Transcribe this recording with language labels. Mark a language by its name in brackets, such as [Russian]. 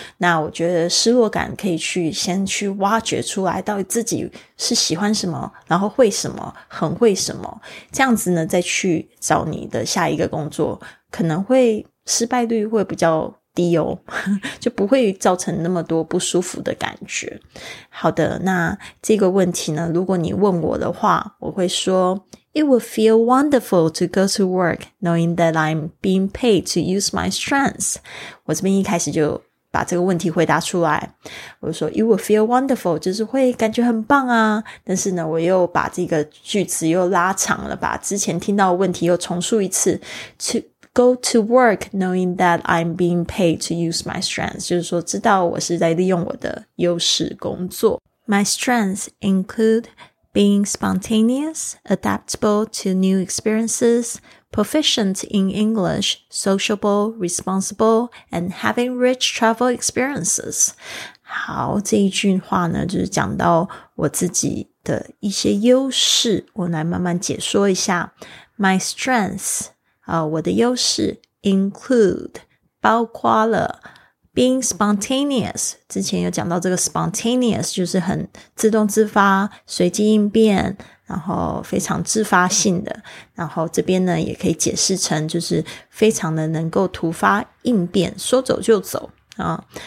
[Chinese] 那我觉得失落感可以去先去挖掘出来，到底自己是喜欢什么，然后会什么，很会什么，这样子呢再去找你的下一个工作，可能会失败率会比较低哦，就不会造成那么多不舒服的感觉。好的，那这个问题呢，如果你问我的话，我会说 [English] It would feel wonderful to go to work knowing that I'm being paid to use my strengths. [Chinese] 我这边一开始就把这个问题回答出来，我说 [English] It would feel wonderful [Chinese] 就是会感觉很棒啊，但是呢我又把这个句子又拉长了，把之前听到的问题又重述一次， [English] toGo to work knowing that I'm being paid to use my strengths, [Chinese] 就是说知道我是在利用我的优势工作。 [English] My strengths include being spontaneous, adaptable to new experiences, proficient in English, sociable, responsible, and having rich travel experiences. [Chinese] 好，这一句话呢就是讲到我自己的一些优势，我来慢慢解说一下。 [English] My strengths, [Chinese] 我的优势 include 包括了 being spontaneous, 之前有讲到这个 spontaneous 就是很自动自发，随机应变，然后非常自发性的，然后这边呢也可以解释成就是非常的能够突发应变，说走就走啊。